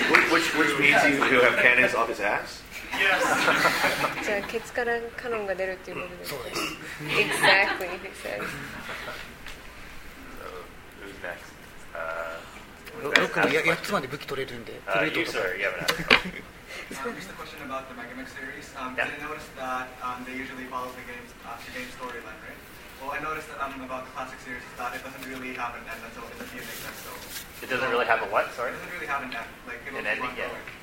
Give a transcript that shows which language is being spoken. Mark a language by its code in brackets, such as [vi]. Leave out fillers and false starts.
[en] which means he'll have cannons off his ass? Yes. [ja] じゃあケツからカノンが出るっていうことですか。そうです。 [en] Exactly, he says. Who's next? [ja] ロックは8つまで武器取れるんで。 [en] You, sir, you have an answer. Just a question about the Mega Man series. Yeah. Did you notice that they usually follow the game's game storyline, right? Well, I noticed that about the classic series is that it doesn't really have an end until in the few makes sense. So it doesn't really have a what? Sorry. It doesn't really have an end. Like it'll an be ending one yet.